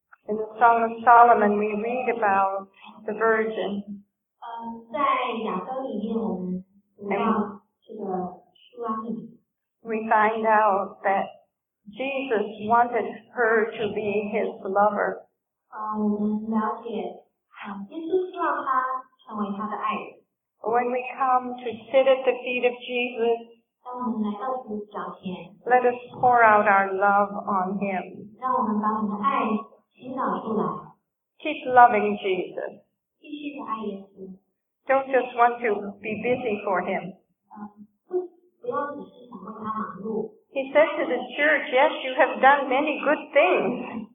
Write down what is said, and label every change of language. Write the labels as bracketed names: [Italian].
[English] In the Song of Solomon, we read about the virgin. [Chinese] 在雅歌里面，我们读到这个苏拉底。 [English] We find out that. Jesus wanted her to be his lover. [Chinese] 我们了解，耶稣希望他成为他的爱人。 [English] When we come to sit at the feet of Jesus, [Chinese] 当我们来到主脚前 [English] ，let us pour out our love on him. [Chinese] 让我们把我们的爱倾倒出来。 [English] Keep loving Jesus. [Chinese] 继续的爱耶稣。 [English] Don't just want to be busy for him. [Chinese] 不要只是想为他忙碌。 [English] He said to the church, yes, you have done many good things.